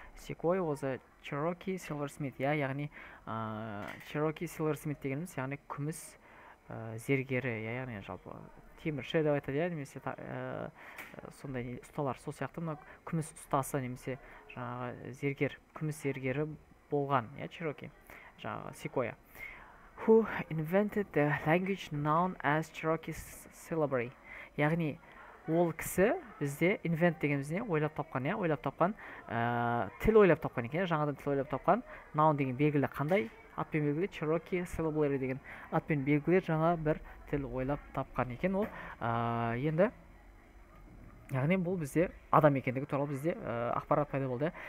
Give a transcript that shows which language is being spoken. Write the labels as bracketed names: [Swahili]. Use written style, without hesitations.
[English] Sequoia was a Cherokee silversmith, [Kazakh] иә, яғни Cherokee silversmith дегеніміз, яғни күміс зергери, яғни жалпы темірші деп айтады, немесе сондай ұсталар, сол сияқты мына күміс ұстасы немесе жаңағы зергер, күміс зергері болған, я Чироки, жаңағы Секоя. [English] Who invented the language known as Cherokee syllabary? [Kazakh] Яғни ол кісі бізде invent дегеніміз не? Ойлап тапқан, я, ойлап тапқан, тіл ойлап тапқан екен, жаңадан тіл ойлап тапқан. Noun деген белгілі қандай? Атпен белгілі Cherokee syllabary деген атпен белгілі жаңа бір тіл ойлап тапқан екен ол. Енді яғни бұл бізде адам екендігі туралы бізде ақпарат пайда болды.